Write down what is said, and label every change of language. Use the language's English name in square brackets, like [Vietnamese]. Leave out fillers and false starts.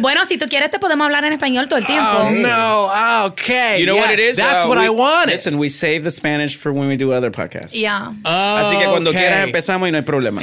[Spanish] Bueno, si tú quieres, te podemos hablar en español todo el tiempo. [English] Oh, no. Okay. You know yes, what it is? That's what I wanted. Listen, we save the Spanish for when we do other podcasts. Yeah. Oh, [Spanish] así que cuando quieras, empezamos y no hay problema.